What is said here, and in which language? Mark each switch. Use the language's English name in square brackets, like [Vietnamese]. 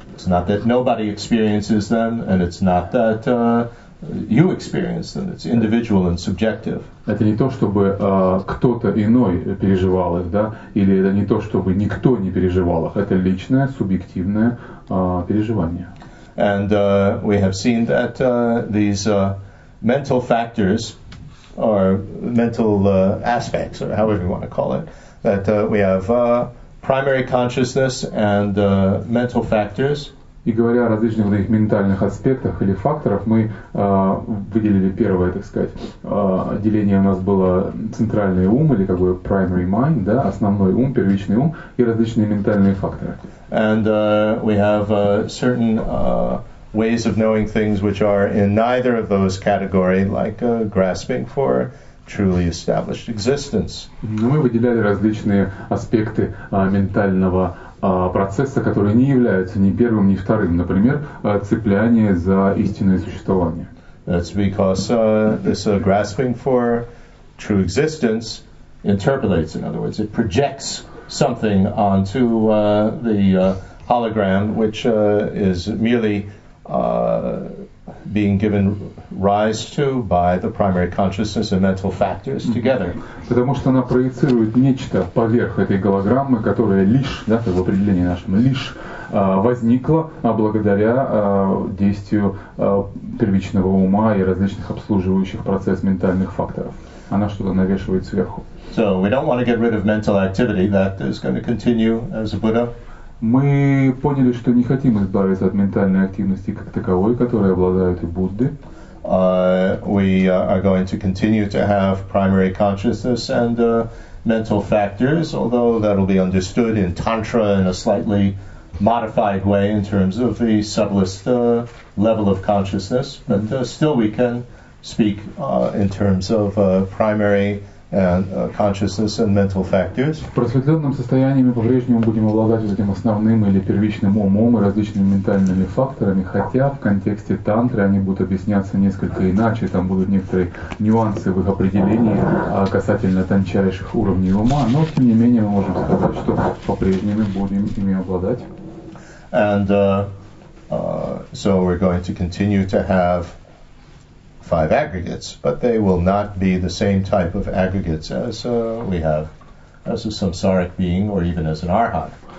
[English] It's not that nobody experiences them, and it's not that you experience them. It's individual and subjective. [Russian] Это не то, чтобы кто-то иной переживал их, да? Или это не то, чтобы никто не переживал их. Это личное, субъективное переживание. [English] And we have seen that these mental factors, or mental aspects, or however you want to call it, that we have primary consciousness and mental factors. [Russian] И говоря о различных ментальных аспектах или факторах, мы выделили первое, так сказать, деление у нас было центральный ум, или как бы primary mind, да, основной ум, первичный ум, и различные ментальные факторы. [English] And we have certain ways of knowing things which are in neither of those categories, like grasping for truly established existence. [Russian] Но мы выделяли различные аспекты ментального процесса, которые не являются ни первым, ни вторым. Например, цепляние за истинное существование. [English] That's because this grasping for true existence interpolates, in other words, it projects something onto the hologram, which is merely being given rise to by the primary consciousness and mental factors together. [Russian] Потому что она проецирует нечто поверх этой голограммы, которая лишь, да, в определении нашем, лишь возникла благодаря действию первичного ума и различных обслуживающих процесс ментальных факторов. Она что-то навешивает сверху. [English] So we don't want to get rid of mental activity that is going to continue as a Buddha. [Russian] Мы поняли, что не хотим избавиться от ментальной активности как таковой, которой обладают и Будды. [English] We are going to continue to have primary consciousness and mental factors, although that will be understood in Tantra in a slightly modified way in terms of the subtlest level of consciousness. But still we can speak in terms of primary and consciousness and mental factors. [Russian] В просветленном состоянии мы по-прежнему будем обладать этим основным или первичным умом и различными ментальными факторами, хотя в контексте тантры они будут объясняться несколько иначе, там будут некоторые нюансы в их определении касательно тончайших уровней ума, но тем не менее мы можем сказать, что по-прежнему будем ими обладать. [English] And so we're going to continue to have five aggregates, but they will not be the same type of aggregates as we have as a samsaric being or even as an arhat.